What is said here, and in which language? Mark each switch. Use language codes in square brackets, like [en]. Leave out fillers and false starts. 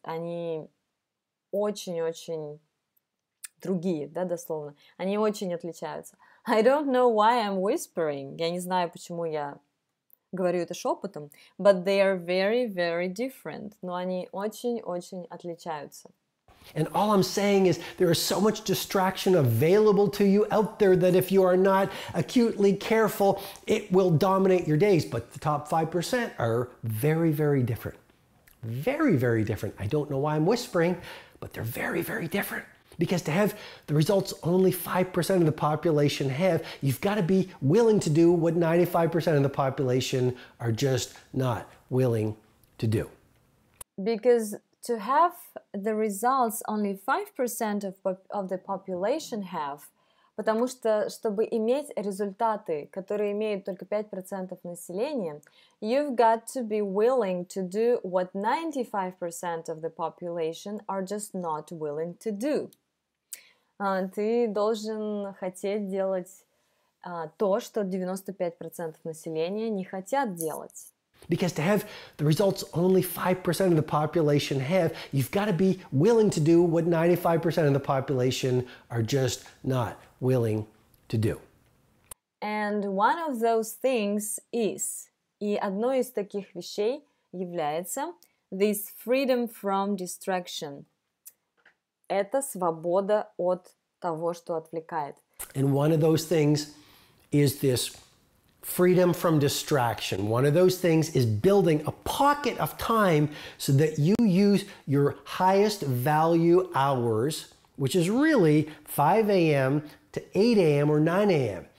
[ru] Они очень-очень другие, да, дословно. [en] Они очень отличаются. I don't know why I'm whispering. [ru] Я не знаю, почему я говорю это шепотом. [en] But they are very, very different. [ru] Но они очень-очень отличаются. [en] And all I'm saying is there is so much distraction available to you out there that if you are not acutely careful, it will dominate your days. But the top 5% are very, very different. Very, very different. I don't know why I'm whispering, but they're very, very different. Because to have the results only 5% of the population have, you've got to be willing to do what 95% of the population are just not willing to do. Because to have the results only 5% of the population have, потому что, чтобы иметь результаты, которые имеют только 5% населения, you've got to be willing to do what 95% of the population are just not willing to do. [ru] Ты должен хотеть делать то, что 95% населения не хотят делать. [en] Because to have the results only 5% of the population have, you've got to be willing to do what 95% of the population are just not willing to do. And one of those things is, и одной из таких вещей является, this freedom from distraction. [ru] Это свобода от того, что отвлекает. [en] And one of those things is this freedom from distraction. One of those things is building a pocket of time so that you use your highest value hours, which is really 5 a.m. to 8 a.m. or 9 a.m.